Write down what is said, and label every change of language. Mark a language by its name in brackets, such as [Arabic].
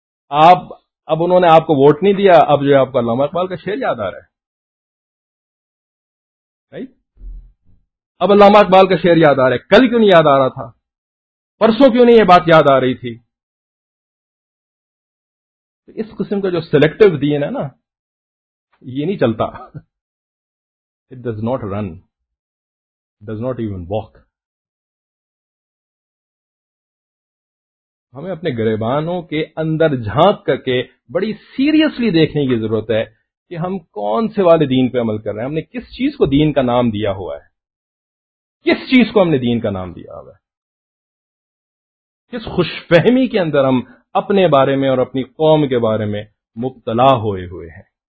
[Urdu] آپ اب انہوں نے آپ کو ووٹ نہیں دیا, اب جو ہے آپ کا علامہ اقبال کا شعر یاد آ رہا ہے, اب علامہ اقبال کا شعر یاد آ رہا ہے. کل کیوں نہیں یاد آ رہا تھا, پرسوں کیوں نہیں یہ بات یاد آ رہی تھی. تو اس قسم کا جو سلیکٹو دین ہے نا, یہ نہیں چلتا. [English] It does not run, does not even walk. [Urdu] ہمیں اپنے گریبانوں کے اندر جھانک کر کے بڑی سیریسلی دیکھنے کی ضرورت ہے کہ ہم کون سے والے دین پہ عمل کر رہے ہیں, ہم نے کس چیز کو دین کا نام دیا ہوا ہے, کس چیز کو ہم نے دین کا نام دیا ہوا ہے, کس خوش فہمی کے اندر ہم اپنے بارے میں اور اپنی قوم کے بارے میں مبتلا ہوئے ہوئے ہیں.